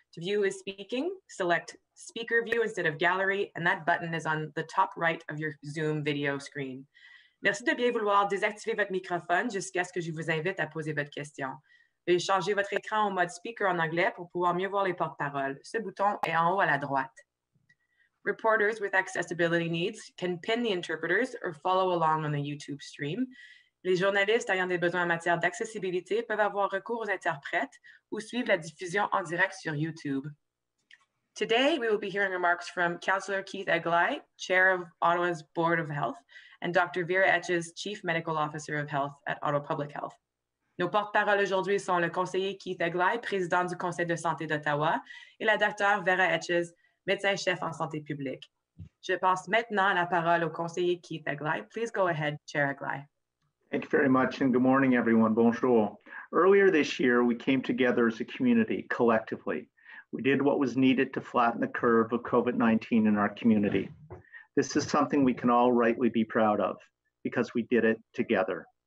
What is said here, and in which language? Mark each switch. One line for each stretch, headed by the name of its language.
English: To view who is speaking, select speaker view instead of gallery, and that button is on the top right of your Zoom video screen.
French: Merci de bien vouloir désactiver votre microphone jusqu'à ce que je vous invite à poser votre question. Veuillez changer votre écran en mode speaker en anglais pour pouvoir mieux voir les porte-paroles. Ce bouton est en haut à la droite.
English: Reporters with accessibility needs can pin the interpreters or follow along on the YouTube stream.
French: Les journalistes ayant des besoins en matière d'accessibilité peuvent avoir recours aux interprètes ou suivre la diffusion en direct sur YouTube.
English: Today, we will be hearing remarks from Councillor Keith Eglai, Chair of Ottawa's Board of Health, and Dr. Vera Etches, Chief Medical Officer of Health at Ottawa Public Health.
French: Nos porte-paroles aujourd'hui sont le conseiller Keith Eglai, président du Conseil de santé d'Ottawa, et la Dr. Vera Etches, médecin-chef en santé publique. Je passe maintenant la parole au conseiller Keith Eglai.
English: Please go ahead, Chair Eglai. Thank you very much, and good morning, everyone. Bonjour. Earlier this year, we came together as a community, collectively. We did what was needed to flatten the curve of COVID-19 in our community. This is something we can all rightly be proud of because we did it together.